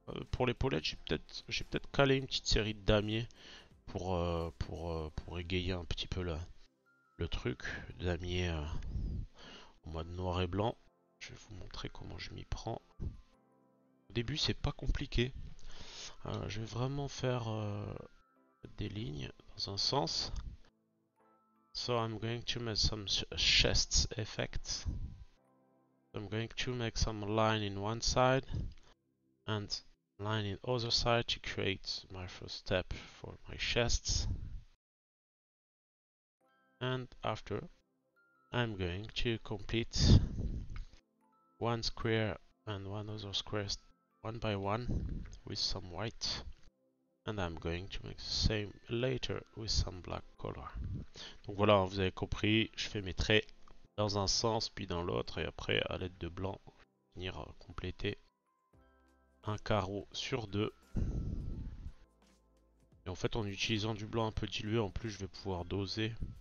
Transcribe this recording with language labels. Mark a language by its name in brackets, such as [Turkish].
[French] Pour l'épaulette, j'ai peut-être calé une petite série de damiers pour égayer un petit peu là. Le truc, damier en mode noir et blanc. Je vais vous montrer comment je m'y prends. Au début, c'est pas compliqué. Je vais vraiment faire des lignes dans un sens. [English] So I'm going to make some chest effects. I'm going to make some line in one side and line in other side to create my first step for my chests. And after, I'm going to complete one square and one other square one by one with some white. And I'm going to make the same later with some black color. [French] Donc voilà, vous avez compris, je fais mes traits dans un sens, puis dans l'autre, et après, à l'aide de blanc, venir compléter un carreau sur deux. Et en fait, en utilisant du blanc un peu dilué, en plus, je vais pouvoir doser.